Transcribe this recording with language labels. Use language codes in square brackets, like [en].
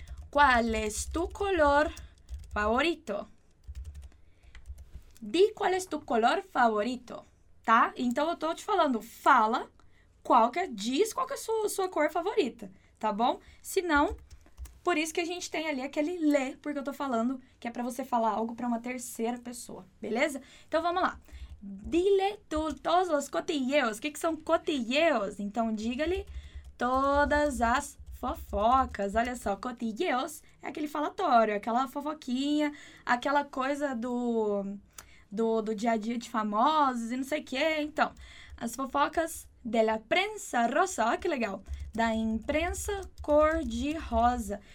[es] Qual é tu color favorito? Di qual é tu color favorito, tá? [pt] Então eu tô te falando, fala qual que é, diz qual que é sua cor favorita, tá bom? Senão, por isso que a gente tem ali aquele le, porque eu tô falando que é para você falar algo para uma terceira pessoa, beleza? Então vamos lá. [es] Dile tú todos los cotilleos. ¿Qué son cotilleos? Entonces, dígale todas las fofocas. [pt] Olha só, cotilleos é aquele falatório, aquela fofoquinha, aquela coisa do dia a dia de famosos e não sei o quê. Então, as fofocas [es] de la prensa rosa, [pt] olha que legal, da imprensa cor-de-rosa.